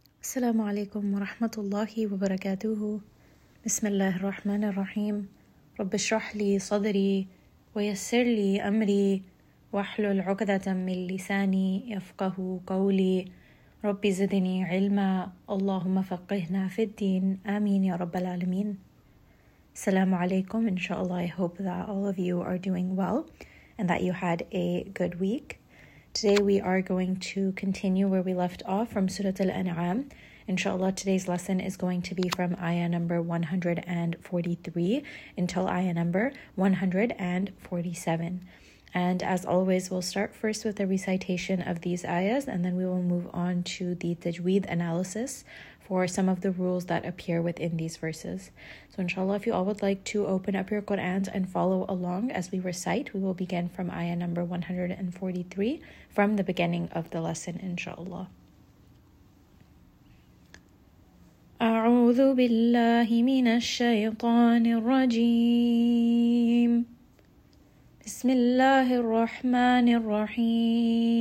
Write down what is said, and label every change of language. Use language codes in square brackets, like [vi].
[ar] السلام عليكم ورحمة الله وبركاته. بسم الله الرحمن الرحيم. رب اشرح لي صدري ويسر لي أمري واحلل عقدة من لساني يفقه قولي. رب زدني علما، اللهم فقهنا في الدين، آمين يا رب العالمين. السلام عليكم. [en] إن شاء الله I hope that all of you are doing well and that you had a good week. Today we are going to continue where we left off from Surah Al-An'am. Inshallah, today's lesson is going to be from ayah number 143 until ayah number 147. And as always, we'll start first with a recitation of these ayahs, and then we will move on to the tajweed analysis for some of the rules that appear within these verses. So inshallah, if you all would like to open up your Qur'ans and follow along as we recite, we will begin from ayah number 143 from the beginning of the lesson, inshallah. [ar] أعوذ بالله من الشيطان الرجيم. بسم الله الرحمن الرحيم.